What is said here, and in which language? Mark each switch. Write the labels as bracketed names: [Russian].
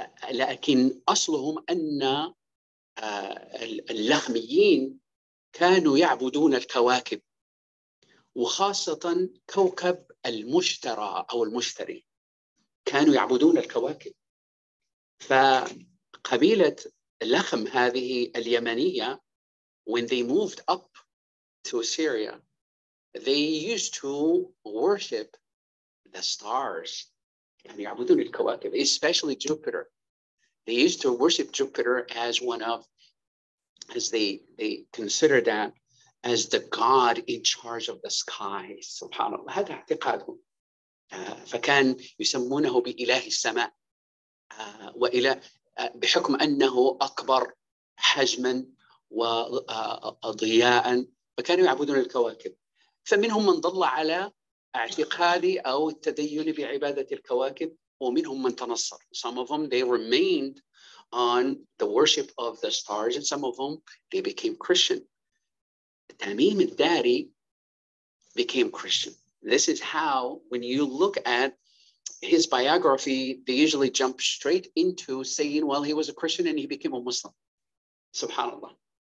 [Arabic] لكن أصلهم أن اللغميين كانوا يعبدون الكواكب, وخاصة كوكب المشترى أو المشتري, كانوا يعبدون الكواكب. فقبيلة لخم هذه اليمنية, [English] when they moved up to Syria, they used to worship the stars. [Arabic] يعني يعبدون الكواكب, [English] especially Jupiter. They used to worship Jupiter as one of, as they consider that as the god in charge of the sky. [Arabic] سبحان الله, هذا اعتقادهم. فكان يسمونه بإله السماء, وإله بحكم أنه أكبر حجما وضياءا, فكانوا يعبدون الكواكب. فمنهم من ضل على اعتقادي أو التدين بعبادة الكواكب, ومنهم من تنصر. [English] Some of them they remained on the worship of the stars, and some of them they became Christian. تميم الداري became Christian. This is how, when you look at his biography, they usually jump straight into saying, well, he was a Christian and he became a Muslim. Subhanallah.